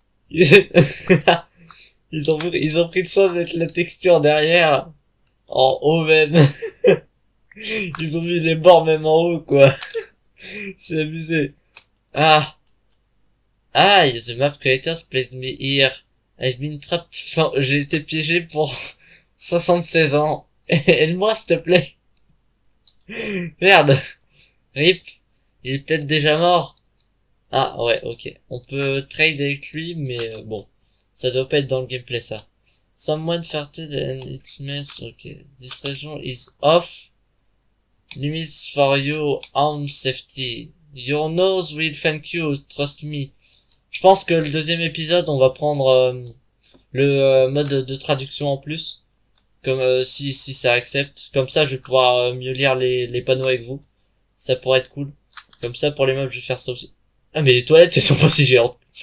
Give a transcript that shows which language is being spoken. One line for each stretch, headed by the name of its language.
French: Ils ont pris le soin de mettre la texture derrière. En haut même. Ils ont mis les bords même en haut, quoi. C'est abusé. Ah.
English: Ah, the map creators played me here. I've been trapped.
French: Enfin, j'ai été piégé pour 76 ans. Aide-moi, s'il te plaît. Merde. Rip. Il est peut-être déjà mort. Ah, ouais, ok. On peut trade avec lui, mais bon. Ça doit pas être dans le gameplay, ça.
English: Someone farted and it's mess. Ok. This region is off. Limits for your own safety. Your nose will thank you, trust me.
French: Je pense que le deuxième épisode, on va prendre mode de traduction en plus. Comme si ça accepte. Comme ça, je vais pouvoir mieux lire les panneaux avec vous. Ça pourrait être cool. Comme ça, pour les meubles, je vais faire ça aussi. Ah, mais les toilettes, elles sont pas si géantes.